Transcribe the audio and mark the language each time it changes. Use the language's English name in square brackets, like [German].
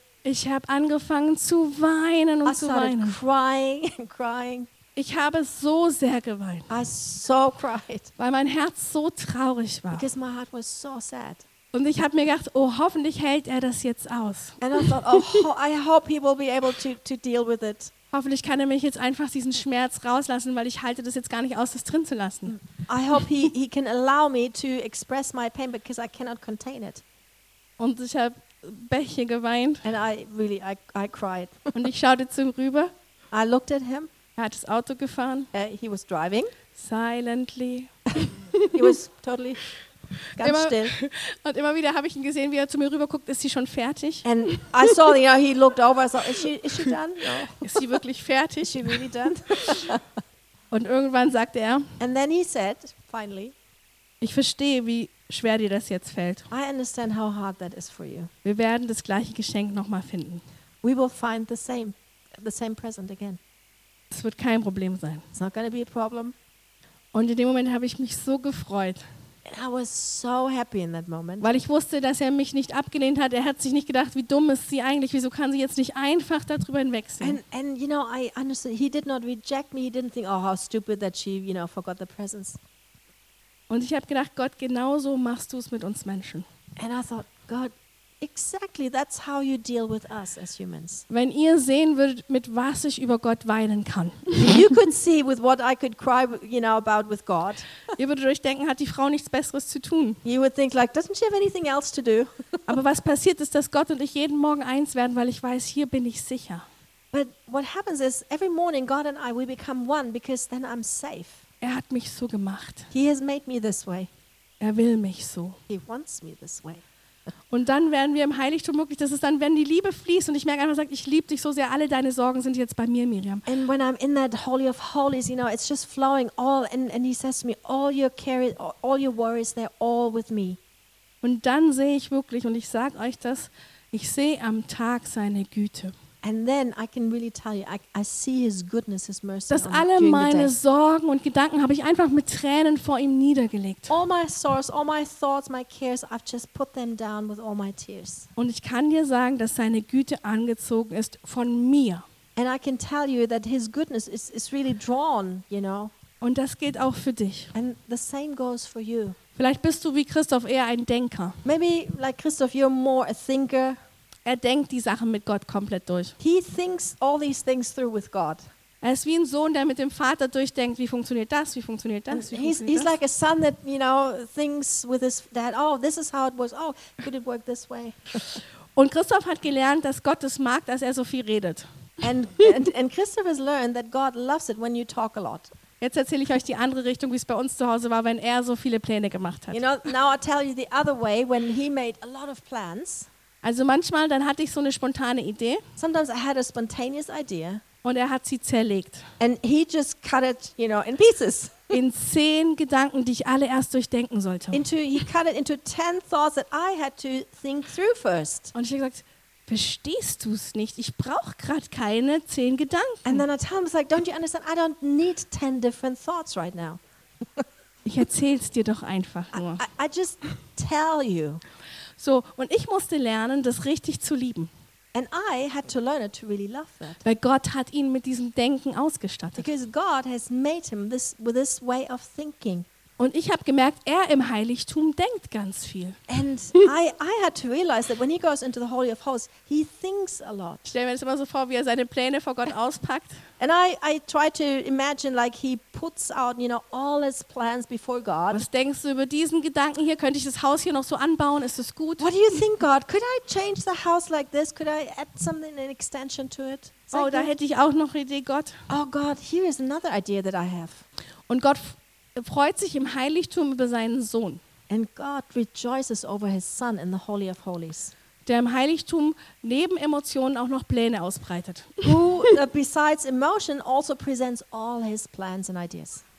[German] Ich habe angefangen zu weinen und zu weinen. [English] I started crying and crying. [German] Ich habe so sehr geweint. [English] I so cried. [German] Weil mein Herz so traurig war. [English] Because my heart was so sad. [German] Und ich habe mir gedacht, oh, hoffentlich hält er das jetzt aus. [English] And I thought, oh, I hope he will be able to deal with it. [German] Hoffentlich kann er mich jetzt einfach diesen Schmerz rauslassen, weil ich halte das jetzt gar nicht aus, das drin zu lassen. [English] I hope he can allow me to express my pain because I cannot contain it. [German] Und ich habe Bäche geweint. [English] And I really cried. [German] Und ich schaute zu ihm rüber. [English] I looked at him. [German] Er hat das Auto gefahren. [English] He was driving. Silently. He was totally [German] ganz immer, [English] still. [German] Und immer wieder habe ich ihn gesehen, wie er zu mir rüber guckt, ist sie schon fertig? [English] And I saw, you know, he looked over, I saw, is she done? No. [German] Ist sie wirklich fertig? [English] Is she really done? [German] Und irgendwann sagte er, [English] and then he said, finally, [German] ich verstehe, wie schwer dir das jetzt fällt. [English] I understand how hard that is for you. [German] Wir werden das gleiche Geschenk nochmal finden. [English] We will find the same present again. [German] Es wird kein Problem sein. [English] It's not gonna be a problem. [German] Und in dem Moment habe ich mich so gefreut. [English] And I was so happy in that moment. [German] Weil ich wusste, dass er mich nicht abgelehnt hat. Er hat sich nicht gedacht, wie dumm ist sie eigentlich? Wieso kann sie jetzt nicht einfach darüber hinwegsehen? [English] And you know, I understood. He did not reject me. He didn't think, oh, how stupid that she, you know, forgot the presents. [German] Und ich habe gedacht, Gott, genauso machst du es mit uns Menschen. [English] And I thought, God, Exactly, that's how you deal with us as humans. [German] Wenn ihr sehen würdet, mit was ich über Gott weinen kann. [English] You could see with what I could cry, you know, about with God. [German] Ihr würdet euch denken, hat die Frau nichts Besseres zu tun? [English] You would think like, doesn't she have anything else to do? [German] Aber was passiert ist, dass Gott und ich jeden Morgen eins werden, weil ich weiß, hier bin ich sicher. [English] But what happens is every morning God and I we become one because then I'm safe. [German] Er hat mich so gemacht. [English] He has made me this way. [German] Er will mich so. [English] He wants me this way. [German] Und dann werden wir im Heiligtum wirklich, das ist dann, wenn die Liebe fließt und ich merke einfach, ich liebe dich so sehr, alle deine Sorgen sind jetzt bei mir, Miriam. [English] And when I'm in that holy of holies, you know, it's just flowing all and he says to me, all your care, all your worries, they're all with me. [German] Und dann sehe ich wirklich, und ich sage euch das, ich sehe am Tag seine Güte. [English] And then I can really tell you, I see his goodness, his mercy. [German] Dass alle meine Sorgen und Gedanken habe ich einfach mit Tränen vor ihm niedergelegt. [English] All my sorrows, all my thoughts, my cares, I've just put them down with all my tears. [German] Und ich kann dir sagen, dass seine Güte angezogen ist von mir. [English] And I can tell you that his goodness is really drawn, you know. [German] Und das gilt auch für dich. [English] And the same goes for you. [German] Vielleicht bist du wie Christoph eher ein Denker. [English] Maybe like Christoph, you're more a thinker. [German] Er denkt die Sachen mit Gott komplett durch. [English] He thinks all these things through with God. [German] Er ist wie ein Sohn, der mit dem Vater durchdenkt, wie funktioniert das, wie funktioniert das, wie funktioniert [English] das. He's like a son that, you know, thinks with his dad, oh, this is how it was, oh, could it work this way? [German] Und Christoph hat gelernt, dass Gott es mag, dass er so viel redet. [English] And Christoph has learned that God loves it when you talk a lot. [German] Jetzt erzähle ich euch die andere Richtung, wie es bei uns zu Hause war, wenn er so viele Pläne gemacht hat. [English] You know, now I tell you the other way, when he made a lot of plans. [German] Also manchmal, dann hatte ich so eine spontane Idee. [English] Sometimes I had a spontaneous idea. [German] Und er hat sie zerlegt. [English] And he just cut it, you know, in pieces. [German] In 10 Gedanken, die ich alle erst durchdenken sollte. [English] He cut it into 10 thoughts that I had to think through first. [German] Und ich habe gesagt, verstehst du es nicht? Ich brauche gerade keine 10 Gedanken. [English] And then I tell him, it's like, don't you understand? I don't need 10 different thoughts right now. [German] Ich erzähl's dir doch einfach nur. [English] I just tell you. [German] So, und ich musste lernen, das richtig zu lieben. [English] And I had to learn it to really love that. [German] Weil Gott hat ihn mit diesem Denken ausgestattet. [English] Because God has made him this with this way of thinking. [German] Und ich habe gemerkt, er im Heiligtum denkt ganz viel. [English] And I had to realize that when he goes into the Holy of Holies, he thinks a lot. [German] Stell mir das immer so vor, wie er seine Pläne vor Gott auspackt. [English] And I try to imagine like he puts out, you know, all his plans before God. [German] Was denkst du über diesen Gedanken hier? Könnte ich das Haus hier noch so anbauen? Ist es gut? [English] What do you think, God? Could I change the house like this? Could I add something, an extension to it? [German] Is oh, da hätte ich auch noch eine Idee, Gott. [English] Oh God, here is another idea that I have. [German] Und Gott freut sich im Heiligtum über seinen Sohn. [English] And God rejoices over his son in the Holy of Holies. [German] Der im Heiligtum neben Emotionen auch noch Pläne ausbreitet. [English] Who besides emotion also presents all his plans and ideas.